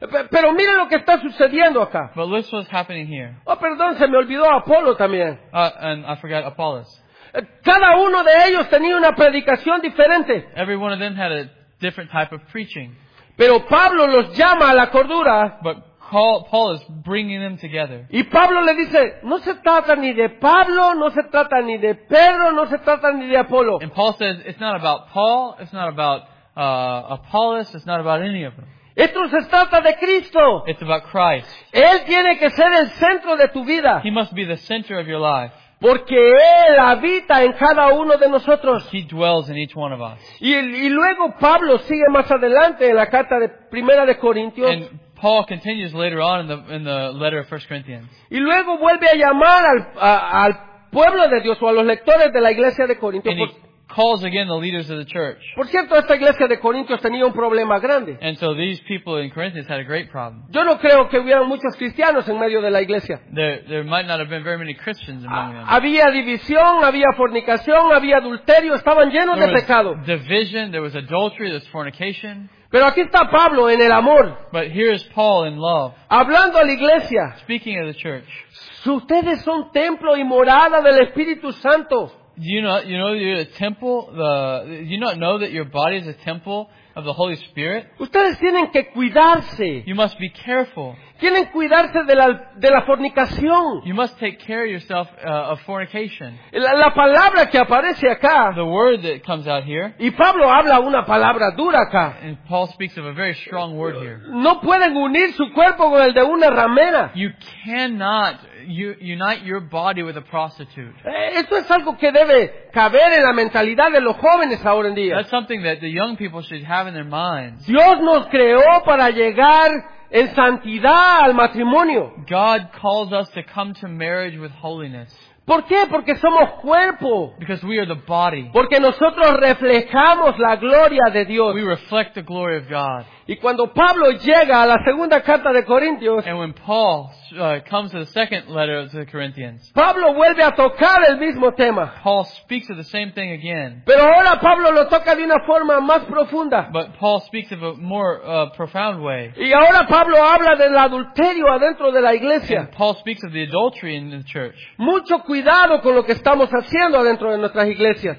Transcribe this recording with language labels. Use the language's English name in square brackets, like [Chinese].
[Spanish] Pero miren lo que está sucediendo acá. [English] But this was happening here. [Spanish] Oh, perdón, se me olvidó Apolo también. [English] And I forgot Apollos. [Spanish] Cada uno de ellos tenía una predicación diferente. [English] Every one of them had a different type of preaching. [Spanish] Pero Pablo los llama a la cordura. [English] But Paul is bringing them together. [Spanish] Y Pablo le dice, no se trata ni de Pablo, no se trata ni de Pedro, no se trata ni de Apolo. [English] And Paul says, it's not about Paul, it's not about Apollos, it's not about any of them. [Spanish] Esto se trata de Cristo. [English] It's about Christ. [Spanish] Él tiene que ser el centro de tu vida. [English] He must be the center of your life. [Spanish] Porque Él habita en cada uno de nosotros. [English] He dwells in each one of us. [Spanish] Y luego Pablo sigue más adelante en la carta de Primera de Corintios. [English] And Paul continues later on in the letter of 1 Corinthians. [Spanish] Y luego vuelve a llamar al pueblo de Dios o a los lectores de la iglesia de Corinto. [English] And he calls again the leaders of the church. [Spanish] Por cierto, esta iglesia de Corinto tenía un problema grande. [English] And so these people in Corinthians had a great problem. [Spanish] Yo no creo que hubieran muchos cristianos en medio de la iglesia. [English] There might not have been very many Christians among them. [Spanish] Había división, había fornicación, había adulterio, estaban llenos [English] there [Spanish] de pecado. [English] There was division, there was adultery, there was fornication. [Spanish] Pero aquí está Pablo en el amor. [English] But here is Paul in love. [Spanish] Hablando a la iglesia. [English] Speaking of the church. [Spanish] Ustedes son templo y morada del Espíritu Santo. [English] Do you not know that your body is a temple of the Holy Spirit? [Spanish] Ustedes tienen que cuidarse. [English] You must be careful. [Spanish] Tienen cuidarse de la fornicación. [English] You must take care of yourself of fornication. [Spanish] La palabra que aparece acá. [English] The word that comes out here. [Spanish] Y Pablo habla una palabra dura acá. [English] And Paul speaks of a very strong word here. [Spanish] No pueden unir su cuerpo con el de una ramera. [English] You cannot unite your body with a prostitute. [Spanish] Esto es algo que debe caber en la mentalidad de los jóvenes ahora en día. [English] That's something that the young people should have in their minds. [Spanish] Dios nos creó para llegar en santidad al matrimonio. [English] God calls us to come to marriage with holiness. [Spanish] ¿Por qué? Porque somos cuerpo. [English] Because we are the body. [Spanish] Porque nosotros reflejamos la gloria de Dios. [English] We reflect the glory of God. [Spanish] Y cuando Pablo llega a la segunda carta de Corintios, [English] and when Paul comes to the second letter to the Corinthians, [Spanish] Pablo vuelve a tocar el mismo tema. [English] Paul speaks of the same thing again. [Spanish] Pero ahora Pablo lo toca de una forma más profunda. [English] But Paul speaks of a more profound way. [Spanish] Y ahora Pablo habla del adulterio adentro de la iglesia. [English] And Paul speaks of the adultery in the church. [Spanish] Mucho cuidado con lo que estamos haciendo adentro de nuestras iglesias.